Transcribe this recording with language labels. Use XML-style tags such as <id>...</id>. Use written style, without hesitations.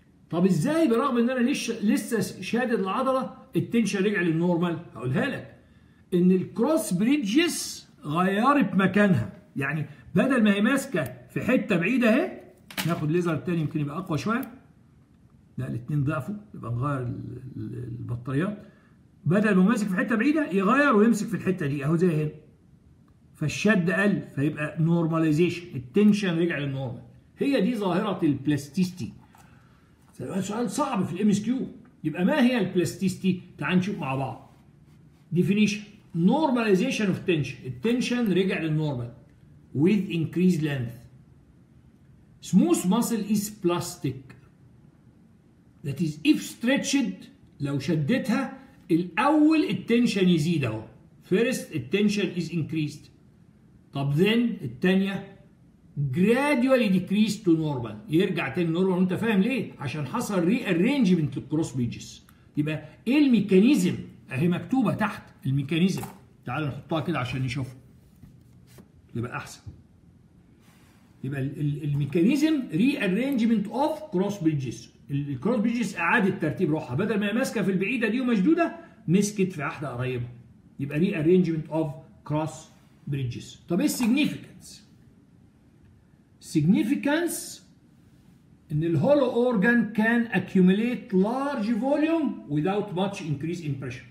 <ar>طب ازاي برغم ان انا لسه شادد العضله التنشن رجع للنورمال؟ هقولها لك، ان الكروس بريدجز غيرت مكانها، يعني بدل ما هي ماسكه في حته بعيده اهي، ناخد ليزر الثاني يمكن يبقى اقوى شويه، لا الاثنين ضعفوا، يبقى نغير البطاريات، بدل ما ماسك في حته بعيده يغير ويمسك في الحته دي اهو زي هنا، فالشد قل فيبقى نورماليزيشن، التنشن رجع للنورمال. هي دي ظاهره البلاستيستي. سؤال صعب في الام اس كيو. يبقى ما هي البلاستيستي؟ تعال نشوف مع بعض. ديفينيشن،</ar> <en>normalisation of tension,</en> <ar>التنشن رجع للنورمال.</ar> <en>with increased length. Smooth muscle is plastic. That is if stretched,</en> <ar>لو شدتها الأول التنشن يزيد اهو.</ar> <en>First التنشن is increased. طب then التانية gradually decrease to normal.</en> <ar>يرجع تاني normal وانت فاهم ليه؟ عشان حصل rearrangement للcross bridges. يبقى ايه الميكانيزم؟ اهي مكتوبة تحت الميكانيزم. تعال نحطها كده عشان نشوفه. يبقى احسن.</ar> <en>يبقى الميكانيزم rearrangement of cross bridges.</en> <ar>الكروس بيجز اعاد الترتيب روحها بدل ما ماسكه في البعيده دي ومشدوده مسكت في واحده قريبه يبقى</ar> <en>Rearrangement of cross bridges.</en> <ar>طب ايه السيجنيفيكانس؟</ar> <en>Significance ان الهولو organ كان accumulate large volume without much increase in pressure.</en>